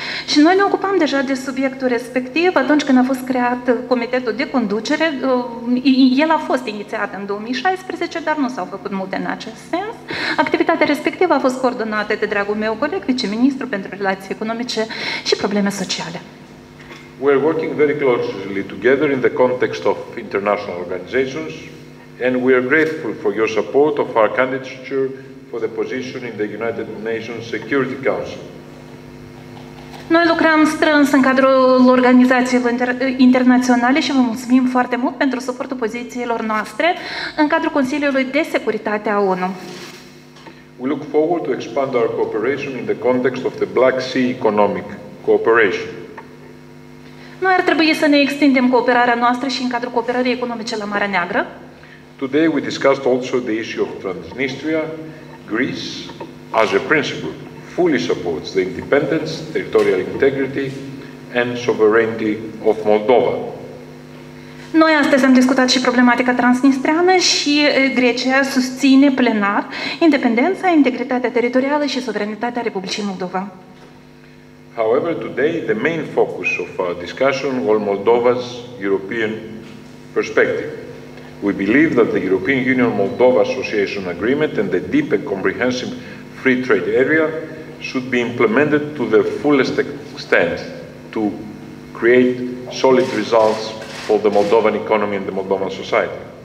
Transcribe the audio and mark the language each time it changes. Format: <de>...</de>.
<ro>Și noi ne ocupam deja de subiectul respectiv atunci când a fost creat comitetul de conducere. El a fost inițiat în 2016, dar nu s-au făcut multe în acest sens. Activitatea respectivă a fost coordonată de dragul meu coleg, viceministru pentru relații economice și probleme sociale.</ro> <en>We're working very closely together in the context of international organizations. And we are grateful for your support of our candidature for the position in the United Nations Security Council.</en> <ro>Noi lucrăm strâns în cadrul organizațiilor internaționale și vă mulțumim foarte mult pentru suportul pozițiilor noastre în cadrul Consiliului de Securitate a ONU.</ro> <en>We look forward to expand our cooperation in the context of the Black Sea Economic Cooperation.</en> <ro>Noi ar trebui să ne extindem cooperarea noastră și în cadrul cooperării economice la Marea Neagră.</ro> <en>Today we discussed also the issue of Transnistria. Greece, as a principle, fully supports the independence, territorial integrity and sovereignty of Moldova.</en> <ro>Noi astăzi am discutat și problematica transnistreană și Grecia susține plenar independența, integritatea teritorială și suveranitatea Republicii Moldova.</ro> <en>However, today the main focus of our discussion was Moldova's European perspective. We believe that the European Union-Moldova Association Agreement and the deep and comprehensive free trade area should be implemented to the fullest extent to create solid results for the Moldovan economy and the Moldovan society.</en>